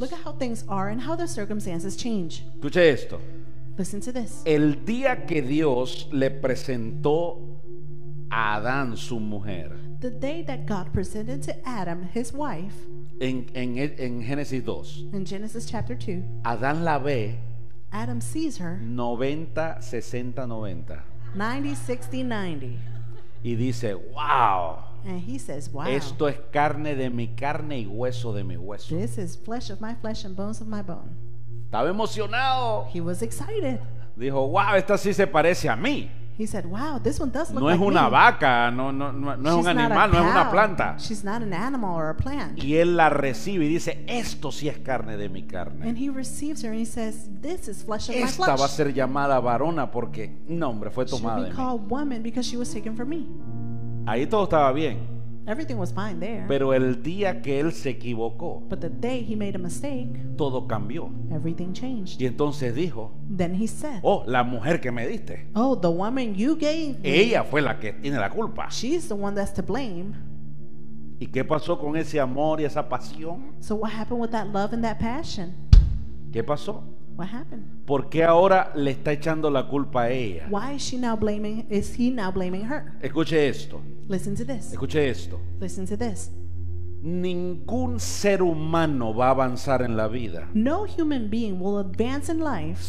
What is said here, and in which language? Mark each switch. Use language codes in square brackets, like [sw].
[en] Look at how things are and how the circumstances change. [es] Escuche esto. [en] Listen to this. [es] El día que Dios le presentó a Adán su mujer. [en] The day that God presented to Adam his wife. [es] En Génesis 2. [en] In Genesis chapter 2. [es] Adán la ve. [en] Adam sees her. [es] 90, 60, 90. [en] 90, 60, 90. [es] Y dice, wow. [en] And he says, wow. [es] Esto es carne de mi carne y hueso de mi hueso. [en] This is flesh of my flesh and bones of my bone. [es] Estaba emocionado. [en] He was excited. [es] Dijo, wow, esta sí se parece a mí. [en] He said, wow, this one does look like me. [es] No es una vaca, no es un animal, no es una planta. [en] She's not an animal or a plant. [es] Y él la recibe y dice, esto sí es carne de mi carne. [en] And he receives her and he says, this is flesh of my flesh. [es] Esta va a ser llamada varona porque, no hombre, fue tomada de mí. [en] She will be called woman because she was taken from me. [es] Ahí todo estaba bien. [en] Everything was fine there. [es] Pero el día que él se equivocó, [en] but the day he made a mistake, [es] todo cambió. [en] Everything changed. [es] Y entonces dijo, [en] then he said, [es] oh, la mujer que me diste. [en] Oh, the woman you gave me. [es] Ella fue la que tiene la culpa. [en] She's the one that's to blame. [es] ¿Y qué pasó con ese amor y esa pasión? [en] So what happened with that love and that passion? [es] ¿Qué pasó? [en] What happened? [es] ¿Por qué ahora le está echando la culpa a ella? [en] Why is she now blaming? Is he now blaming her? [es] Escuche esto. [en] Listen to this. [es] Escuche esto. [en] Listen to this. [es] Ningún ser humano va a avanzar en la vida. [en] No human being will advance in life